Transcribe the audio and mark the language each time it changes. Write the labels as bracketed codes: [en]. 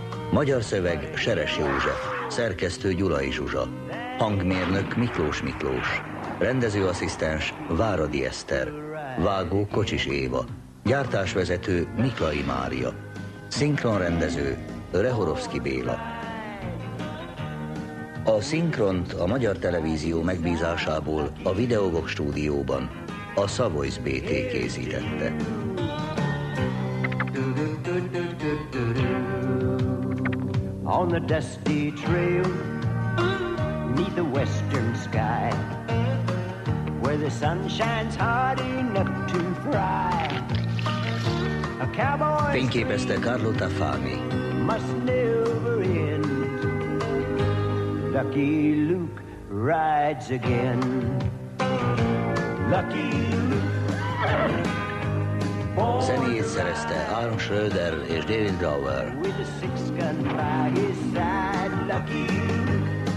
[hu] Magyar szöveg Seres József, szerkesztő Gyulai Zsuzsa, hangmérnök Miklós Miklós, rendezőasszisztens Váradi Eszter, vágó Kocsis Éva, gyártásvezető Miklai Mária, szinkronrendező Rehorovszki Béla. A szinkront a Magyar Televízió megbízásából a Videovox stúdióban a Savoys BT készítette. [en] On the dusty trail, neath the western sky, where the sun shines hard enough to fry. A cowboy's [hu] fényképezte Carlo Tafani. [en] Must never end. Lucky Luke rides again. Lucky Luke. [hu] Zenéjét szerezte Aaron Schroeder és David Grauer. [en] With a six-gun by his side, Lucky Luke.